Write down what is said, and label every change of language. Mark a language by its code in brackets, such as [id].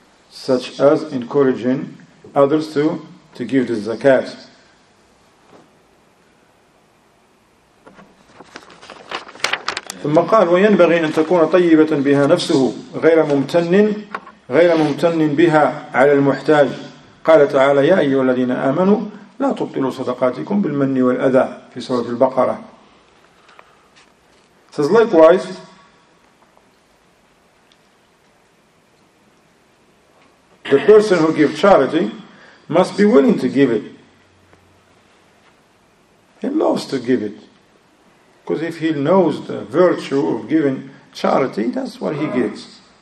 [en] Such as encouraging others to give the zakat. [ar] ثم قال وينبغي أن تكون طيبة بها نفسه غير ممتن بها على المحتاج. قال تعالى يا أيها الذين آمنوا لا تبطلوا صدقاتكم بالمن والأذى في سورة البقرة. [en] Says likewise, the person who gives charity must be willing to give it. He loves to give it. Because if he knows the virtue of giving charity, that's what he gives.